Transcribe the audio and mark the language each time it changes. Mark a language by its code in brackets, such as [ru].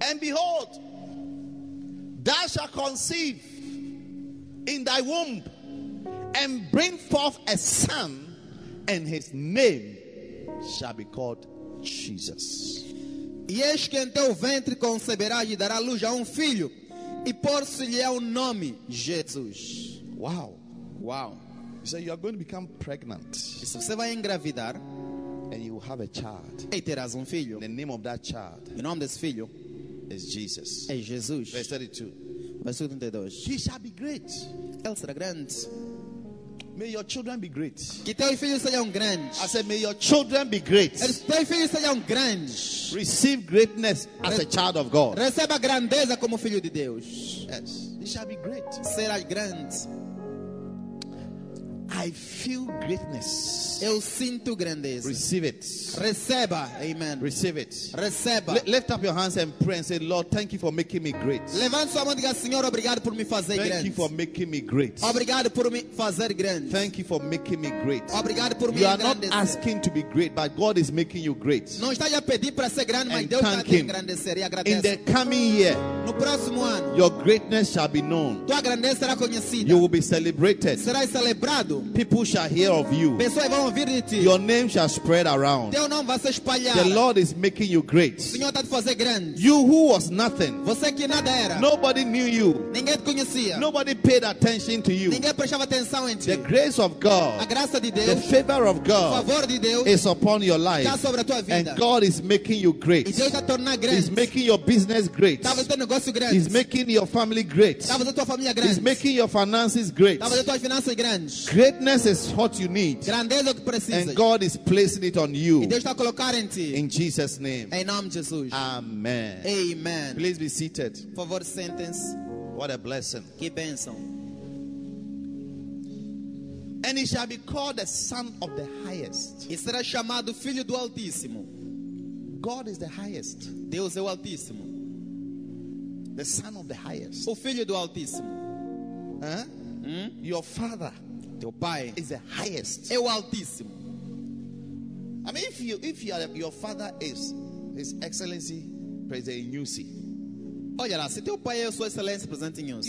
[en] And behold, thou shalt conceive in thy womb and bring forth a son, and his name shall be called Jesus. [pt] E eis que em teu ventre conceberás e dará luz a um filho, e pôr-se-lhe o nome Jesus. [en] Wow. You say you are going to become pregnant. [pt] Se você vai engravidar. [en] And you have a child. [pt] E terás filho. [en] The name of that child. [pt] O nome desse filho. [en] Is Jesus. [pt] É Jesus. [en] Verse 32. Verse 32. He shall be great. [pt] Ele será grande. [en] May your children be great. [pt] Que teus filhos sejam grandes. [en] I said, may your children be great. [pt] Teus filhos sejam grandes. [en] Receive greatness as a child of God. [pt] Receba grandeza como filho de Deus. [en] Yes. It shall be great. [pt] Será grande. [en] I feel greatness. [pt] Eu sinto grandeza. [en] Receive it. [pt] Receba. Amen. [en] Receive it. [pt] Receba. [en] Lift up your hands and pray and say, Lord, thank you for making me great. [pt] Levanta sua mão e diga, Senhor, obrigado por me fazer [en] thank [pt] grande. [en] Thank you for making me great. [pt] Obrigado por me fazer grande. [en] Thank you for making me great. [pt] Obrigado por me grande. [en] You are not asking to be great, but God is making you great. [pt] Não está a pedir para ser grande, mas Deus está a engrandecer e agradecer. [en] In the coming year, [pt] no próximo ano, [en] your greatness shall be known. [pt] Tua grandeza será conhecida. [en] You will be celebrated. [pt] Será celebrado. [en] People shall hear of you. [pt] Pessoas vão ouvir de ti. [en] Your name shall spread around. [pt] Teu nome vai se espalhar. [en] The Lord is making you great. [pt] O Senhor está te fazendo grande. [en] You who was nothing. [pt] Você que nada era. [en] Nobody knew you. [pt] Ninguém te conhecia. [en] Nobody paid attention to you. [pt] Ninguém prestava atenção em ti. [en] The grace of God. [pt] A graça de Deus. [en] The favor of God. [pt] O favor de Deus. [en] Is upon your life. [pt] Está sobre a tua vida. [en] And God is making you great. [pt] E Deus está tornando grande. [en] He's making your business great. [pt] Está fazendo negócio grande. [en] He's making your family great. [pt] Está fazendo tua família grande. [en] He's making your finances great. [pt] Está fazendo tuas finanças grandes. [en] Greatness is what you need. [pt] Grandeza que precisas. [en] And God is placing it on you. [pt] E Deus está a colocar em ti. [en] In Jesus' name. [pt] Em nome de Jesus. [en] Amen. Amen. Please be seated. [pt] Por favor, sentem-se. [en] What a blessing. [pt] Que bênção. [en] And he shall be called the Son of the Highest. [pt] E será chamado Filho do Altíssimo. [en] God is the highest. [pt] Deus é o Altíssimo. [en] The Son of the Highest. [pt] O Filho do Altíssimo. [en] Huh? Hmm? Your Father. [pt] Teu pai [en] is the highest. [pt] É o Altíssimo. [en] I mean, if you are, your father is His Excellency President Nyusi. [pt] Olha lá, se teu pai é Sua Excelência Presidente Nyusi.